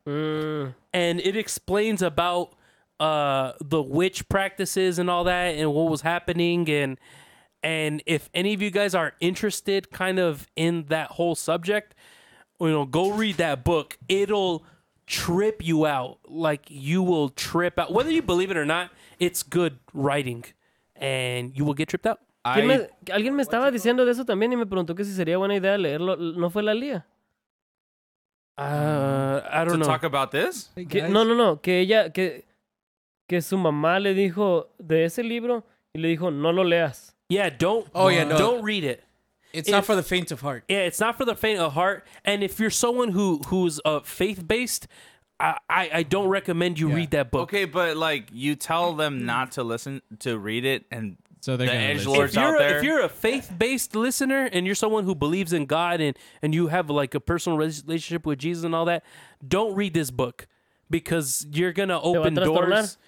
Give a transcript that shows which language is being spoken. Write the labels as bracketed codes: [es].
[en] And it explains about the witch practices and all that and what was happening. And if any of you guys are interested kind of in that whole subject, you know, go read that book. It'll trip you out. Like, you will trip out. Whether you believe it or not, it's good writing. And you will get tripped out. [es] Alguien me estaba diciendo de eso también y me preguntó que si sería buena idea leerlo. ¿No fue la Lía? [en] I don't to know. Talk about this? [es] Que, no. Que ella, que su mamá le dijo de ese libro y le dijo, no lo leas. [en] Yeah, don't. Oh, yeah, no. Don't read it. It's not for the faint of heart. Yeah, it's not for the faint of heart. And if you're someone who's faith-based, I don't recommend you read that book. Okay, but like you tell them not to listen, to read it, and so they're the edgelords out there. If you're a faith-based listener and you're someone who believes in God and you have like a personal relationship with Jesus and all that, don't read this book because you're going to open doors.